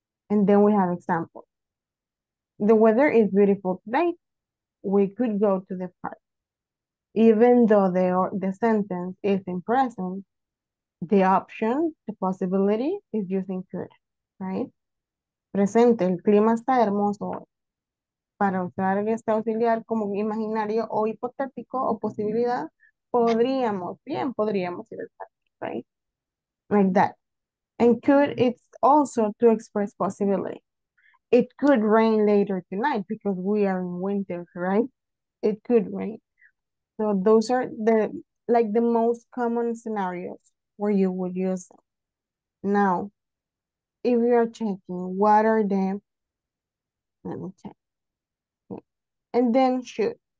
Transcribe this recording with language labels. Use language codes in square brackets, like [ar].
[en] And then we have examples. The weather is beautiful today. We could go to the park. Even though the sentence is in present, the option, the possibility is using could, right? [es] Presente, el clima está hermoso. Para usar este auxiliar como imaginario o hipotético o posibilidad, podríamos, bien, podríamos ir al parque, [en] right? Like that. And could, it's also to express possibility. It could rain later tonight because we are in winter, right? It could rain. So those are the like the most common scenarios where you would use them. Now, if you are checking, what are the, let me check. Okay. And then should.